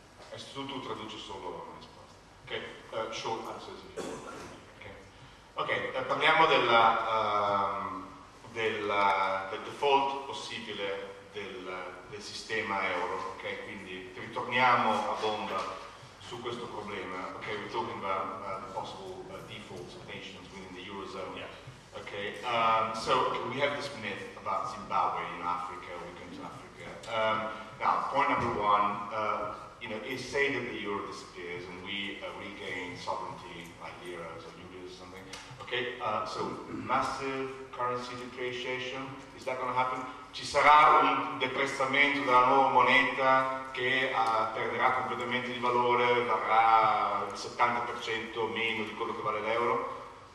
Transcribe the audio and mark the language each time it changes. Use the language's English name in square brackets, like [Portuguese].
[Italian] E se tu traduci solo la risposta. Ok, [English] short answers. [Italian] Ok, parliamo del default possibile del sistema euro, ok? Quindi ritorniamo a bomba su questo problema, ok? [English] We're talking about the possible defaults of nations within the eurozone, yes. Ok? So we have this myth about Zimbabwe in Africa, we come to Africa. Now, point number one, is say that the euro disappears and we regain sovereignty like liras or euros or something, ok? So massive currency depreciation, is that going to happen? [Italian] Ci sarà un deprezzamento della nuova moneta che perderà completamente di valore, varrà il 70% meno di quello che vale l'euro?